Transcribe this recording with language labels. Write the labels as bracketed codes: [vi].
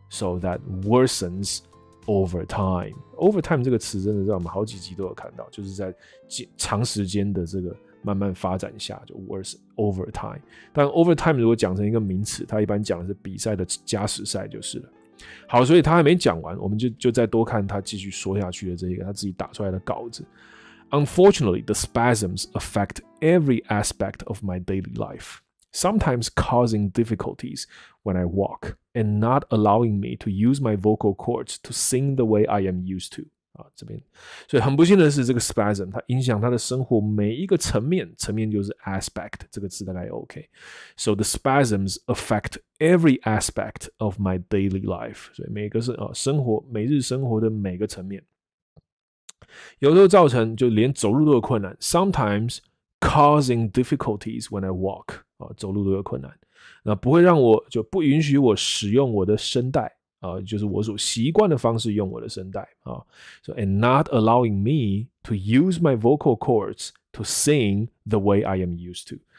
[en] So that worsens over time， [zh] over time 这个词真的让我们好几集都有看到，就是在长时间的这个慢慢发展下就 [en] worse over time， [zh] 但 over time 如果讲成一个名词，它一般讲的是比赛的加时赛就是了。好，所以他还没讲完，我们 就再多看他继续说下去的这一个他自己打出来的稿子。 [en] Unfortunately, the spasms affect every aspect of my daily life, sometimes causing difficulties when I walk and not allowing me to use my vocal cords to sing the way I am used to。 [zh] 这边，所以很不幸的是，这个 spasm 它影响他的生活每一个层面，层面就是 aspect 这个字大概 OK。 [en] So the spasms affect every aspect of my daily life， [zh] 所以每个是生活每日生活的每个层面，有时候造成就连走路都有困难。 [en] Sometimes causing difficulties when I walk， [zh] 走路都有困难，那不会让我就不允许我使用我的声带。就是我所习惯的方式用我的声带啊。 [en] So, and not allowing me to use my vocal cords to sing the way I am used to.